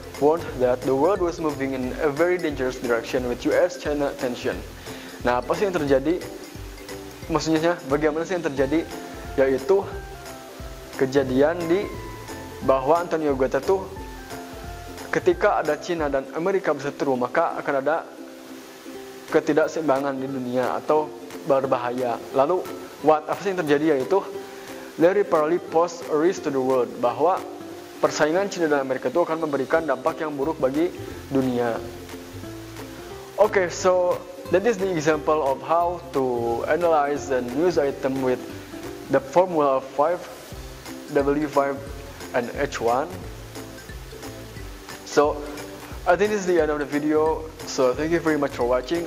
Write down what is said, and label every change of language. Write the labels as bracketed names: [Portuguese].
[English] warned that the world was moving in a very dangerous direction with US-China tension. [Indonesian] Nah, apa sih yang terjadi? Maksudnya, bagaimana sih yang terjadi? Yaitu kejadian di bahwa Antonio Guterres tuh ketika ada Cina dan Amerika berseteru, maka akan ada ketidakseimbangan di dunia atau berbahaya. Lalu, what apa sih yang terjadi? Yaitu [English] Larry Perley posed a risk to the world, [Indonesian] bahwa persaingan Cina dan Amerika itu akan memberikan dampak yang buruk bagi dunia. [English] Okay, so that is the example of how to analyze a news item with the formula of 5, W5, and H1. So, I think this is the end of the video. So, thank you very much for watching.